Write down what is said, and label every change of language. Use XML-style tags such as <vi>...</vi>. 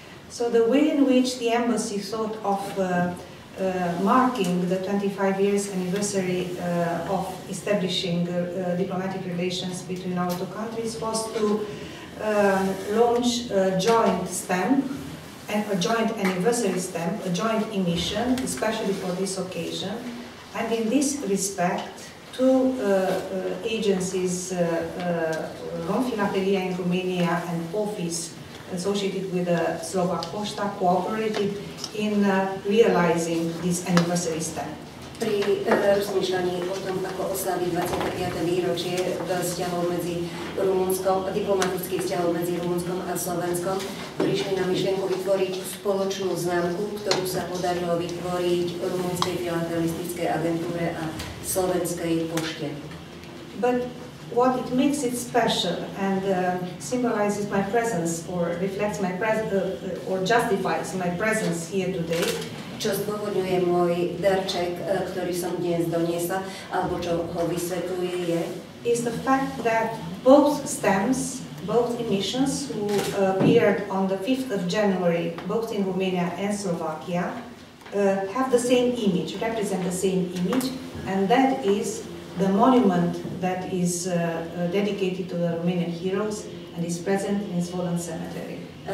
<en>So the way in which the embassy thought of marking the 25 years anniversary of establishing diplomatic relations between our two countries was to launch a joint stamp and a joint anniversary stamp, a joint emission, especially for this occasion. And in this respect, two agencies, Romfinateria in Romania and office associated with the Slovak Pošta cooperated in realizing this anniversary stamp.</en> <sk>Pri rozmýšľaní o tom, ako oslaviť 25. výročie vzťahov medzi Rumunskom, diplomatických vzťahov medzi Rumunskom a Slovenskom, prišli na myšlienku vytvoriť spoločnú známku, ktorú sa podarilo vytvoriť Rumunskej filatelistickej agentúre a Slovenskej pošte.</sk> <en>But what it makes it special and symbolizes my presence or reflects my presence or justifies my presence here today,</en> <sk>čo zdôvodňuje môj darček, ktorý som dnes doniesla, alebo čo ho vysvetľuje, je</sk> <en>is the fact that both stamps, both emissions, who appeared on the 5th of January, both in Romania and Slovakia, have the same image, represent the same image, and that is the monument that is dedicated to the Romanian heroes and is present in Zvolen Cemetery.</en>